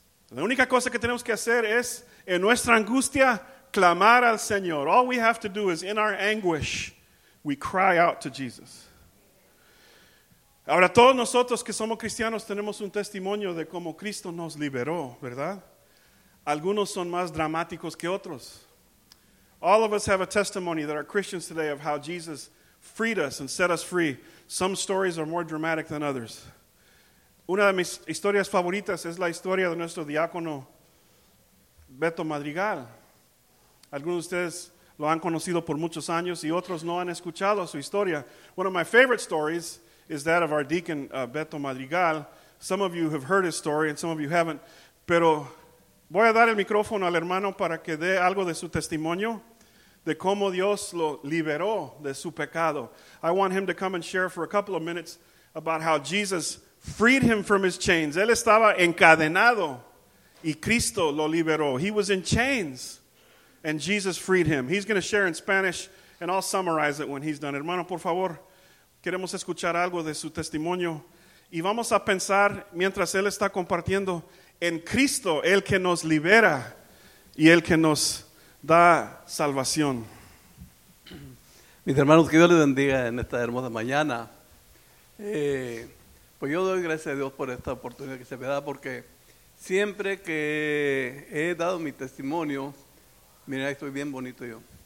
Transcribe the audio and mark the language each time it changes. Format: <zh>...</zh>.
<es>La única cosa que tenemos que hacer es, en nuestra angustia, clamar al Señor.</es> <en>All we have to do is, in our anguish, we cry out to Jesus.</en> <es>Ahora, todos nosotros que somos cristianos tenemos un testimonio de cómo Cristo nos liberó, ¿verdad? Algunos son más dramáticos que otros.</es> <en>All of us have a testimony that are Christians today of how Jesus freed us and set us free. Some stories are more dramatic than others.</en> <es>Una de mis historias favoritas es la historia de nuestro diácono Beto Madrigal. Algunos de ustedes lo han conocido por muchos años y otros no han escuchado su historia.</es> <en>One of my favorite stories is that of our deacon, Beto Madrigal. Some of you have heard his story and some of you haven't.</en> <es>Pero voy a dar el micrófono al hermano para que dé algo de su testimonio de cómo Dios lo liberó de su pecado.</es> <en>I want him to come and share for a couple of minutes about how Jesus freed him from his chains.</en> <es>Él estaba encadenado y Cristo lo liberó.</es> <en>He was in chains and Jesus freed him. He's going to share in Spanish and I'll summarize it when he's done.</en> <es>Hermano, por favor. Queremos escuchar algo de su testimonio y vamos a pensar mientras él está compartiendo en Cristo, el que nos libera y el que nos da salvación. Mis hermanos, que Dios les bendiga en esta hermosa mañana. Pues yo doy gracias a Dios por esta oportunidad que se me da, porque siempre que he dado mi testimonio, miren, estoy bien bonito yo.</es>